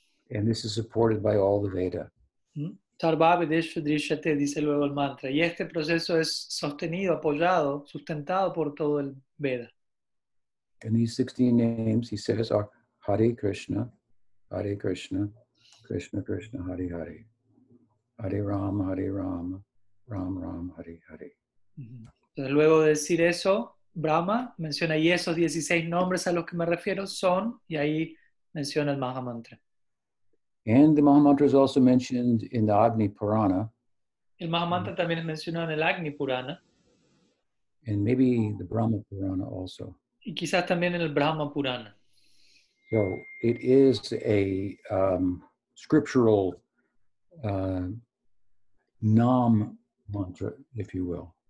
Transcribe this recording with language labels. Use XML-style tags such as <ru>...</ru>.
<en>And this is supported by all the Veda.</en> <sa>Sarvabhedeshu drishyate,</sa> <es>dice luego el mantra. Y este proceso es sostenido, apoyado, sustentado por todo el Veda.</es> <en>And these 16 names, he says, are Hare Krishna, Hare Krishna, Krishna Krishna, Hare Hare.</en> <sa>Hare Rama, Hare Rama, Rama Rama, Hare Hare.</sa> <es>Entonces, luego de decir eso, Brahma menciona, y esos 16 nombres a los que me refiero son, y ahí menciona el Maha Mantra.</es> <en>And the Maha Mantra is also mentioned in the Agni Purana.</en> <es>El Maha Mantra también es mencionado en el Agni Purana.</es> <en>And maybe the Brahma Purana also.</en> <es>Y quizás también en el Brahma Purana.</es> <en>So it is a scriptural Nam Mantra, if you will.</en>